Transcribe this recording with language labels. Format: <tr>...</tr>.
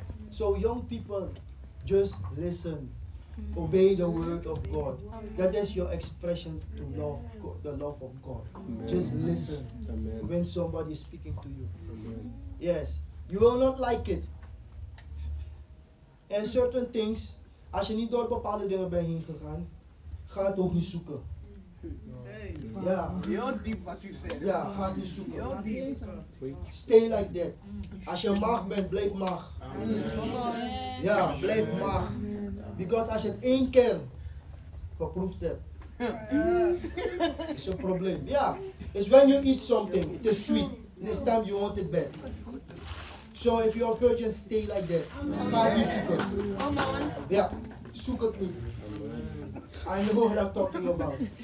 <en>So young people, just listen. Obey the word of God. Amen. That is your expression to love God, the love of God. Amen. Just listen. Amen. When somebody is speaking to you. Amen. Yes. You will not like it. And certain things,</en> <nl>als je niet door bepaalde dingen bent heen gegaan, ga het ook niet zoeken. Hey, ja. Heel diep wat je zegt. Ja, ga het niet zoeken. Heel diep.</nl> <en>Stay like that.</en> <nl>Als je mag bent, blijf mag. Amen. Ja, blijf mag.</nl> <en>Because</en> <nl>als je het één keer geproefd hebt, is een probleem. Ja.</nl> <en>It's when you eat something, it is sweet. Next time you want it back. So if you are virgin, stay like that. Amen.</en> <nl>Ga het niet zoeken. Amen. Ja, zoek het niet.</nl> <en>I know what I'm talking about.</en>